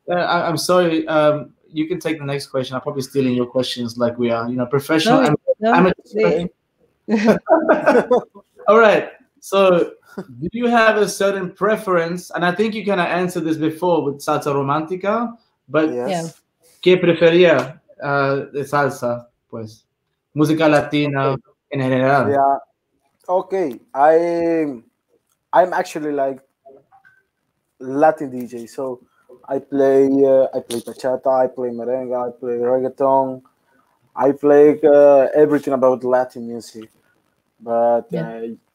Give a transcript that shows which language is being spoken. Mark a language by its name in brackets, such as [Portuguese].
[English] I'm sorry. You can take the next question. I'm probably stealing your questions like we are, you know, professional. All right. So, do you have a certain preference? And I think you kind of answered this before with Salsa Romántica, but yes. [Spanish] ¿Qué prefería? De salsa, pues, música latina, okay. En general. [English] Yeah, Okay, I'm actually like Latin DJ, so I play bachata, I play merengue, I play reggaeton, I play everything about Latin music, but yeah.